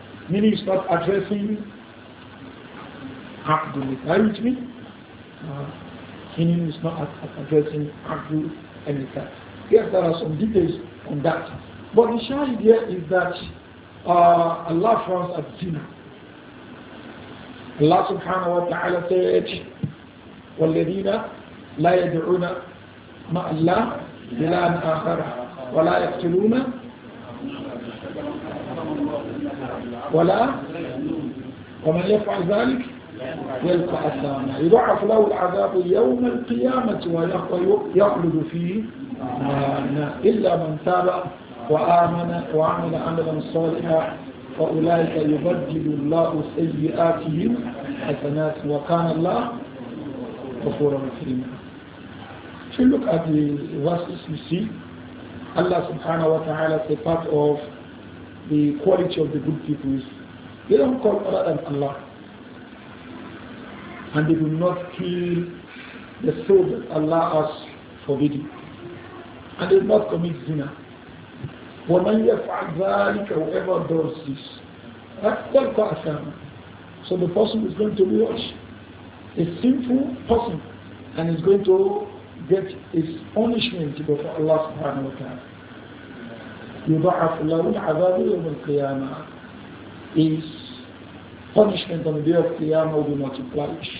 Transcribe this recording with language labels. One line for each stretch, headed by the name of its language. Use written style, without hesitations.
English: Meaning it's not addressing Abdul Mekah. Are you with me? Meaning it's not addressing Abdul Mekah. Yes, there are some details on that. But the shahid here is that Allah frowns at zina. Allah subhanahu wa ta'ala said,
Arabic: وَالَّذِينَ لَا يَدْعُونَ مَعَ اللَّهِ إِلَىٰ أَنْ آخَرَ وَلَا يَقْتُلُونَ وَلَا وَمَنْ يَفْعَلْ ذَلِكَ يَلْقَ أَثَامًا يُضَعَفْ لَهُ الْعَذَابُ يَوْمَ الْقِيَامَةِ وَيَخْلُدُ فِيهِ إِلَّا مَنْ تَابَ وآمن وعمل عملا صالحا فأولئك يبدل الله سيئاتهم حسنات وكان الله غفورا رحيما.
English: If you look at the verses, you see Allah subhanahu wa ta'ala is a part of the quality of the good people. They don't call other than Allah, and they do not kill the soul that Allah has forbidden, and they do not commit zina.
Arabic: وَمَنْ يَفْعَلْ ذَلِكَ
English: whoever does this,
Arabic: يَلْقَ أَثَامًا.
English: So the person is going to be a sinful person, and is going to get his punishment before Allah subhanahu wa ta'ala.
Arabic: يُضَعَفْ لَهُ الْعَذَابُ يَوْمَ الْقِيَامَةِ.
English: His punishment on the day of Qiyamah will be multiplied.